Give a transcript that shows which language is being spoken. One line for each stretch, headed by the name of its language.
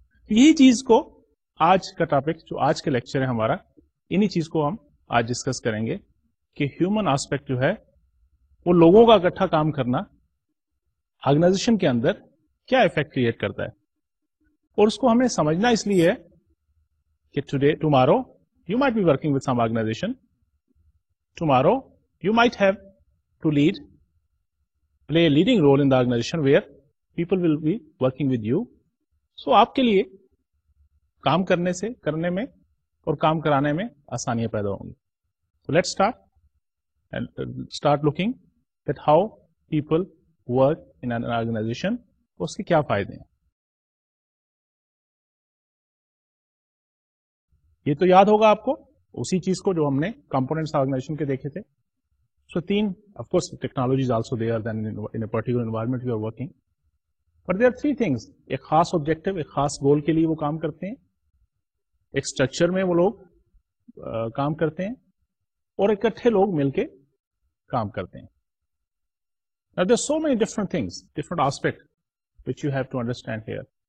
Urdu: یہی چیز کو آج کا ٹاپک جو آج کے لیکچر ہے ہمارا, انہی چیز کو ہم آج ڈسکس کریں گے کہ ہیومن آسپیکٹ جو ہے وہ لوگوں کا اکٹھا کام کرنا آرگنائزیشن کے اندر کیا افیکٹ کریٹ کرتا ہے, اور اس کو ہمیں سمجھنا اس لیے ہے کہ
English: Today tomorrow you might be working with some organisation, tomorrow you might have to lead play a leading role in the organization where people will be working with you.
Urdu: So, آپ کے لیے کام کرنے سے کرنے میں اور کام کرانے میں آسانیاں پیدا ہوں گی.
English: So, let's start and start looking at how people work in an organization.
Urdu: اس کے کیا فائدے ہیں. یہ تو یاد ہوگا آپ کو اسی چیز کو جو ہم نے components organization کے دیکھے تھے.
English: So, تین, of course, technology is also there than in a particular environment you are working. But there are three things.
Urdu: ایک خاص objective, ایک خاص goal کے لیے وہ کام کرتے ہیں, ایک structure میں وہ لوگ کام کرتے ہیں, اور اکٹھے لوگ مل کے کام کرتے ہیں.
English: Now, there are so many different things, different aspects which you have to understand here.